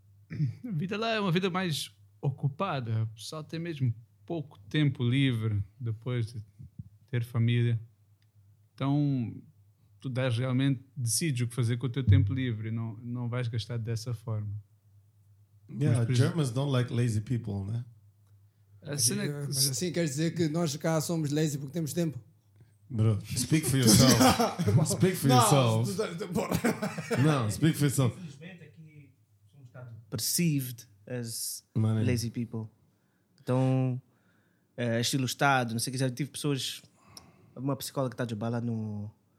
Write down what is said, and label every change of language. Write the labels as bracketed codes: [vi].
[pt] A vida lá é uma vida mais ocupada. O pessoal tem mesmo pouco tempo livre depois de ter família. Então... Tu dás realmente, decides o que fazer com o teu tempo livre, não vais gastar dessa forma. [en] Yeah, mas, Germans don't like lazy people, né? [pt] Assim, mas assim quer dizer que nós cá somos lazy porque temos tempo. [en] Bro, speak for yourself. Speak for yourself. Não, speak for yourself. [pt] Infelizmente aqui somos [en] perceived as lazy people. [pt] Então, estilo Estado, não sei o que. Já tive pessoas, uma psicóloga que está de bala no.